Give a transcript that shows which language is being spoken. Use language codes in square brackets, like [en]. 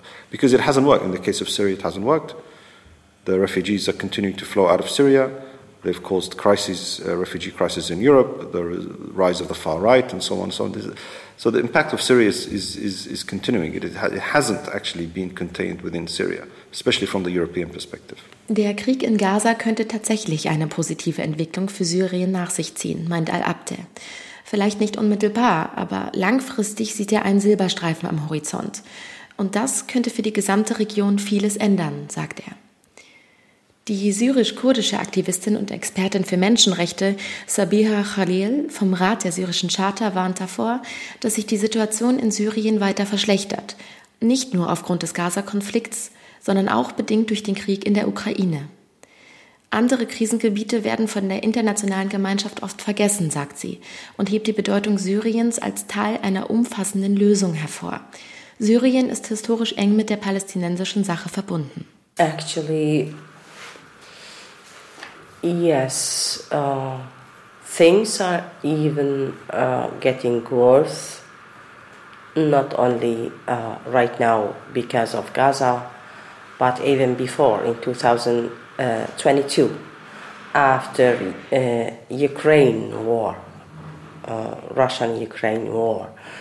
[en] Because it hasn't worked. In the case of Syria, it hasn't worked. The refugees are continuing to flow out of Syria. They've caused crises, refugee crises in Europe, the rise of the far right, and so on and so on. So the impact of Syria is continuing. It hasn't actually been contained within Syria, especially from the European perspective. [de] Der Krieg in Gaza könnte tatsächlich eine positive Entwicklung für Syrien nach sich ziehen, meint Al-Abte. Vielleicht nicht unmittelbar, aber langfristig sieht er einen Silberstreifen am Horizont. Und das könnte für die gesamte Region vieles ändern, sagt er. Die syrisch-kurdische Aktivistin und Expertin für Menschenrechte Sabiha Khalil vom Rat der syrischen Charta warnt davor, dass sich die Situation in Syrien weiter verschlechtert. Nicht nur aufgrund des Gaza-Konflikts, sondern auch bedingt durch den Krieg in der Ukraine. Andere Krisengebiete werden von der internationalen Gemeinschaft oft vergessen, sagt sie, und hebt die Bedeutung Syriens als Teil einer umfassenden Lösung hervor. Syrien ist historisch eng mit der palästinensischen Sache verbunden. [en] Actually, yes, things are even getting worse, not only right now because of Gaza, but even before, in 2022, after Ukraine war, Russian-Ukraine war.